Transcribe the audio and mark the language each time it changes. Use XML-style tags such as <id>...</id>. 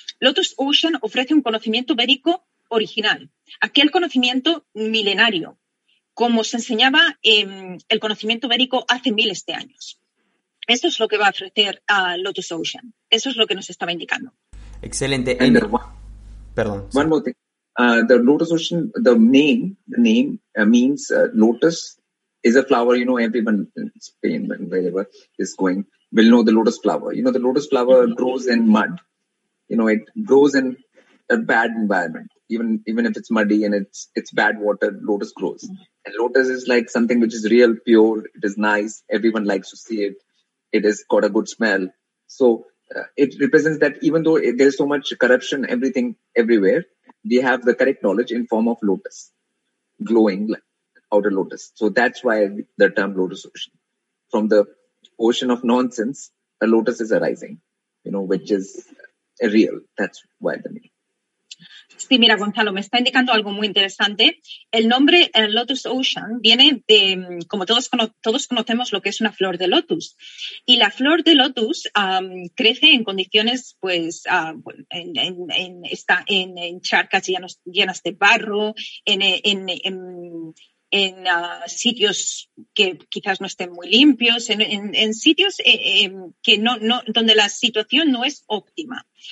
<es>Lotus Ocean ofrece un conocimiento védico original, aquel conocimiento milenario, como se enseñaba el conocimiento védico hace miles de años. Eso es lo que va a ofrecer a Lotus Ocean. Eso es lo que nos estaba indicando. Excelente.</es> <en>One more thing. The Lotus Ocean, the name means lotus is a flower. You know, everyone in Spain, wherever is going, will know the lotus flower. You know, the lotus flower grows in mud. You know, it grows in a bad environment. Even if it's muddy and it's bad water, lotus grows. Mm-hmm. And lotus is like something which is real, pure. It is nice. Everyone likes to see it. It has got a good smell. So it represents that even though there's so much corruption, everything, everywhere, we have the correct knowledge in form of lotus, glowing like outer lotus. So that's why the term Lotus Ocean. From the ocean of nonsense, a lotus is arising, you know, which is real. That's why the name.</en> <es>Sí, mira, Gonzalo, me está indicando algo muy interesante. El nombre Lotus Ocean viene de, como todos conocemos lo que es una flor de lotus. Y la flor de lotus crece en condiciones, pues, en charcas llenas de barro, en sitios que quizás no estén muy limpios, en sitios que no donde la situación no es óptima.</es>